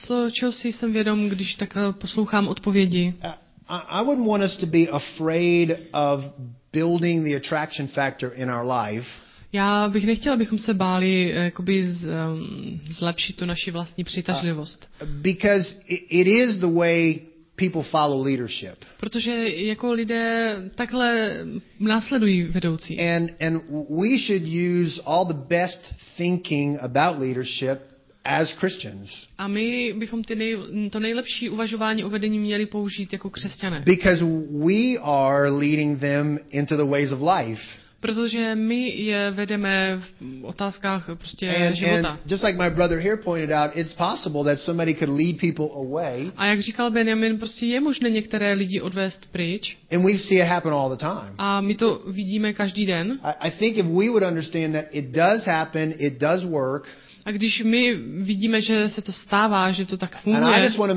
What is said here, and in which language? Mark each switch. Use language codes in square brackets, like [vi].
[cs] Čeho si jsem vědom, když tak poslouchám odpovědi. [en] I wouldn't want us to be afraid of building the attraction factor in our life. [cs] Já bych nechtěl, abychom se báli jakoby zlepšit tu naši vlastní přitažlivost. [en] Because it is the way people follow leadership. [cs] Protože jako lidé takhle následují vedoucí. [en] And we should use all the best thinking about leadership as Christians. [cs] A my bychom to nejlepší uvažování o vedení měli použít jako křesťané. [en] Because we are leading them into the ways of life. [cs] Protože my je vedeme v otázkách prostě života. [en] And just like my brother here pointed out, it's possible that somebody could lead people away. [cs] A jak říkal Benjamin, prostě je možné některé lidi odvést pryč. [en] And we see it happen all the time. [cs] A my to vidíme každý den. [en] I think if we would understand that it does happen, it does work. [cs] A když my vidíme, že se to stává, že to tak funguje.